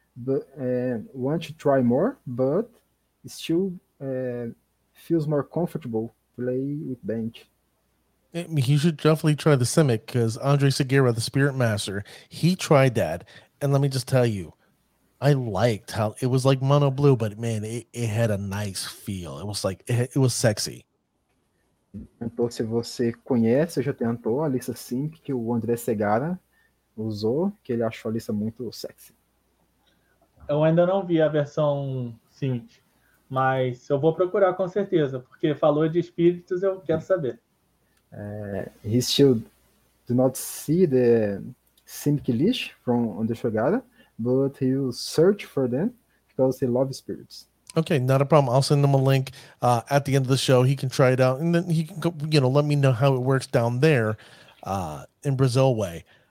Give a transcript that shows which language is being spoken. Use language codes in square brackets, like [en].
[en] But want to try more, but still feels more comfortable play with Bant. He should definitely try the Simic, because Andre Segura, the Spirit Master, he tried that, and let me just tell you, I liked how it was like mono blue, but man, it had a nice feel. It was like it was sexy. [pt] Então, se você conhece, já tentou a lista Simic que o André Segura usou, que ele achou a lista muito sexy. Eu ainda não vi a versão Synth, mas eu vou procurar com certeza, porque falou de espíritos, eu quero saber. [en] He still do not see the Synth list from the Shogada, but he will search for them because he loves spirits. Okay, not a problem. I'll send him a link at the end of the show. He can try it out, and then he can, you know, let me know how it works down there in Brazil way.